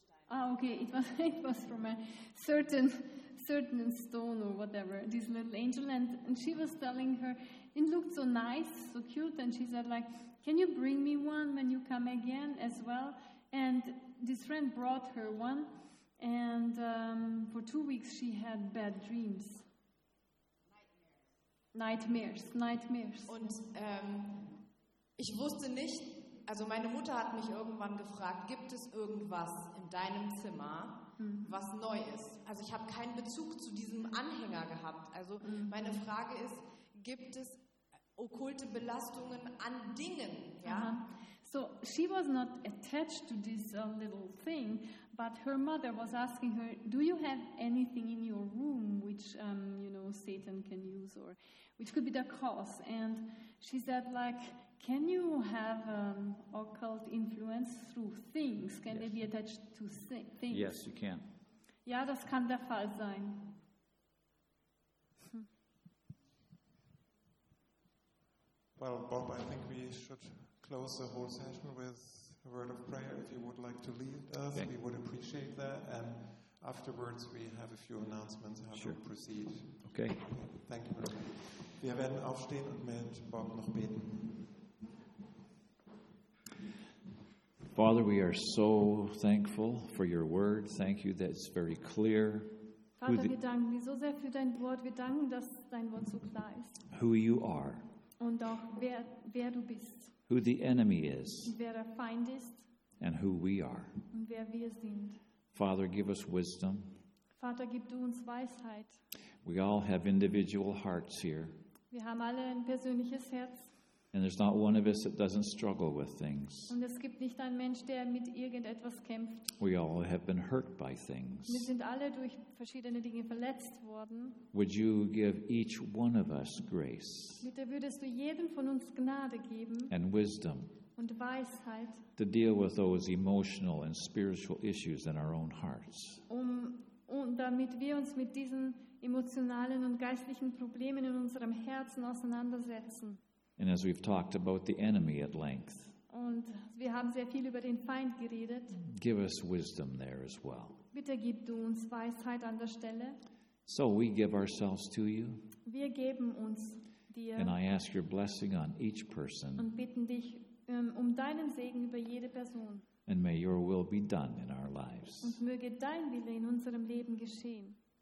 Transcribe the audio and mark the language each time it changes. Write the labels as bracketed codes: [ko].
[en] Ah, okay, it was from a certain stone or whatever, this little angel, and she was telling her, it looked so nice, so cute, and she said, like, can you bring me one when you come again as well? And this friend brought her one, and for 2 weeks she had bad dreams. Nightmares. [de] Und ich wusste nicht, also meine Mutter hat mich irgendwann gefragt, gibt es irgendwas in deinem Zimmer, was neu ist? Also ich habe keinen Bezug zu diesem Anhänger gehabt. Also meine Frage ist, gibt es okkulte Belastungen an Dingen? Ja? [en] So, she was not attached to this little thing, But her mother was asking her, do you have anything in your room which, you know, Satan can use or which could be the cause? And she said, like, can you have occult influence through things? Can they be attached to things? Yes, you can. [de] Ja, das kann der Fall sein. [en] Well, Bob, I think we should close the whole session with a word of prayer. If you would like to lead us, we would appreciate that. And afterwards, we have a few announcements how to proceed. Okay. Thank you very much. [de] Wir werden aufstehen und mit Bob noch beten. [en] Father, we are so thankful for your word. Thank you that it's very clear. [de] Vater, wir danken dir so sehr für dein Wort. Wir danken, dass dein Wort so klar ist. [en] Who you are. [de] Und auch wer du bist. [en] Who the enemy is. [de] Wer der Feind ist. [en] And who we are. [de] Und wer wir sind. [en] Father, give us wisdom. [de] Vater, gib du uns Weisheit. [en] We all have individual hearts here. [de] Wir haben alle ein persönliches Herz. [en] And there's not one of us that doesn't struggle with things. [de] Und es gibt nicht einen Mensch, der mit irgendetwas kämpft. [en] We all have been hurt by things. [de] Wir sind alle durch verschiedene Dinge verletzt worden. [en] Would you give each one of us grace? [de] Bitte würdest du jedem von uns Gnade geben. [en] And wisdom. [de] Und Weisheit. [en] To deal with those emotional and spiritual issues in our own hearts. [de] Und damit wir uns mit diesen emotionalen und geistlichen Problemen in unserem Herzen auseinandersetzen. [en] And as we've talked about the enemy at length, [de] und wir haben sehr viel über den Feind geredet, [en] give us wisdom there as well. [de] Bitte gib du uns Weisheit an der Stelle. [en] So we give ourselves to you. [de] Wir geben uns dir. [en] And I ask your blessing on each person. [de] Und bitten dich um deinen Segen über jede Person. [en] And may your will be done in our lives. [de] Und möge dein Wille in unserem Leben geschehen.